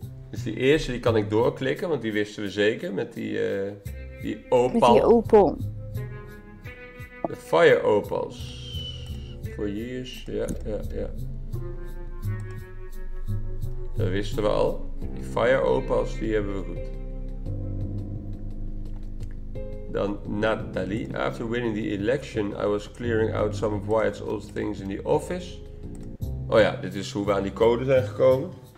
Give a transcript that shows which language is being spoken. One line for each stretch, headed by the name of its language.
Dutch: Dus die eerste die kan ik doorklikken, want die wisten we zeker met die opal. Met die opal. De fire opals.
English: For years.
Dutch: Ja, ja, ja. Dat wisten we al. Die fire opals, die hebben we goed. Dan Nathalie.
English: After winning the election, I was clearing out some of Wyatt's old things in the office.
Dutch: Oh ja, dit is hoe we aan die code zijn gekomen.